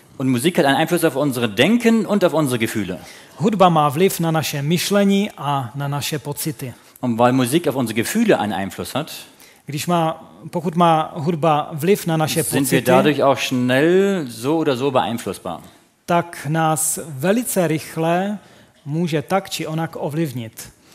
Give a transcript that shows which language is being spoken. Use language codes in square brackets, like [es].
[de] Und Musik hat einen Einfluss auf unser Denken und auf unsere Gefühle. [cs] Hudba má vliv na naše myšlení a na naše pocity. [de] Und weil Musik auf unsere Gefühle einen Einfluss hat, [cs] pokud má hudba vliv na naše pocity, [de] sind wir dadurch auch schnell so oder so beeinflussbar. [cs] Tak nás velice rychle může tak či onak ovlivnit.